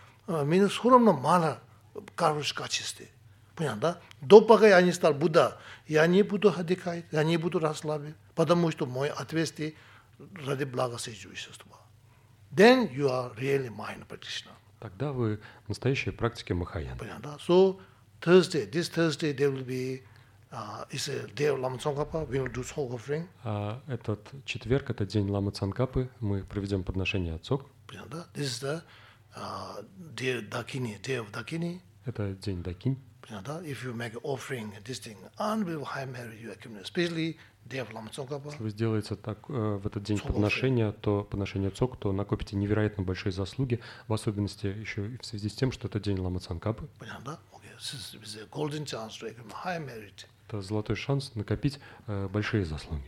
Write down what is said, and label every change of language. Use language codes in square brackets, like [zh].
[ru] У меня все равно мало кормишь качества. Понятно, да? До пока я не стал Будда, я не буду отдыхать, я не буду расслабить, потому что мой ответственный ради блага живущества. [en] Then you are really mind practitioner. [ru] Тогда вы в настоящей практике Махаяна. Понятно, да? [en] So Thursday, this Thursday there will be it's a day of Lama Tsongkhapa. We will do Tsog offering. [ru] Этот четверг, это день Лама Цанкапы, мы проведем подношение Цог. Понятно, да? [en] This is the day Дакини, day of Дакини. [ru] Это день Дакинь. Понятно, да? [en] If you make offering this thing, and we will high merit you accumulate, especially day of Lama Tsongkhapa. [ru] Если вы сделаете так в этот день подношение, то подношение Цог, то накопите невероятно большие заслуги, в особенности еще и в связи с тем, что это день Лама Цанкапы. Понятно, да? [en] This is a golden chance to accumulate high merit. [ru] Это золотой шанс накопить большие заслуги.